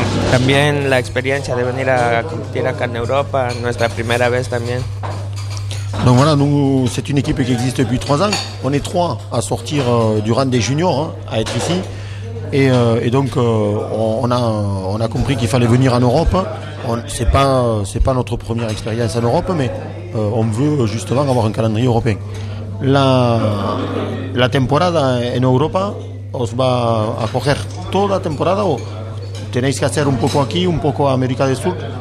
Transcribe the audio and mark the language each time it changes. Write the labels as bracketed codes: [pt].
[es] También la experiencia de venir a competir acá en Europa, nuestra primera vez también. [fr] Donc voilà, nous, c'est une équipe qui existe depuis 3 ans. On est 3 à sortir du rang des juniors, à être ici. Et donc on a compris qu'il fallait venir en Europe. C'est pas notre première expérience en Europe, mais on veut justement avoir un calendrier européen. [es] La temporada en Europa os va a coger toda la temporada o tenéis que hacer un poco aquí, un poco a América del Sur?